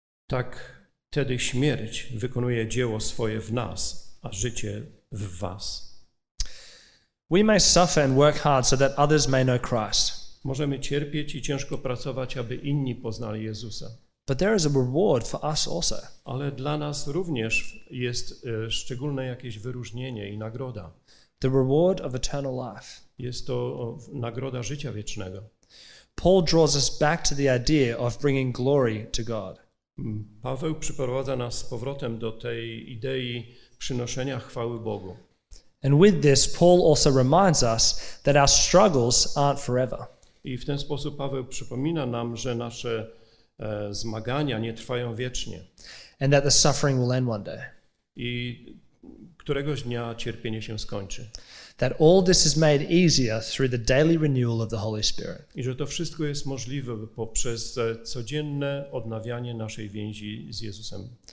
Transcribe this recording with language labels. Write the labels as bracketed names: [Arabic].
[Polish] Tak tedy śmierć wykonuje dzieło swoje w nas, a życie w was. [English] We may suffer and work hard so that others may know Christ. [Polish] Możemy cierpieć i ciężko pracować, aby inni poznali Jezusa. [English] But there is a reward for us also. [Polish] Ale dla nas również jest szczególne jakieś wyróżnienie i nagroda. [English] The reward of eternal life. [Polish] Jest to nagroda życia wiecznego. [English] Paul draws us back to the idea of bringing glory to God. [Polish] Paweł przyprowadza nas z powrotem do tej idei przynoszenia chwały Bogu. [English] And with this, Paul also reminds us that our struggles aren't forever. [Polish] I w ten sposób Paweł przypomina nam, że nasze zmagania nie trwają wiecznie. [English] And that the suffering will end one day. [Polish] I któregoś dnia cierpienie się skończy. [English] That all this is made easier through the daily renewal of the Holy Spirit. [Polish] I że to wszystko jest możliwe poprzez codzienne odnawianie naszej więzi z Jezusem.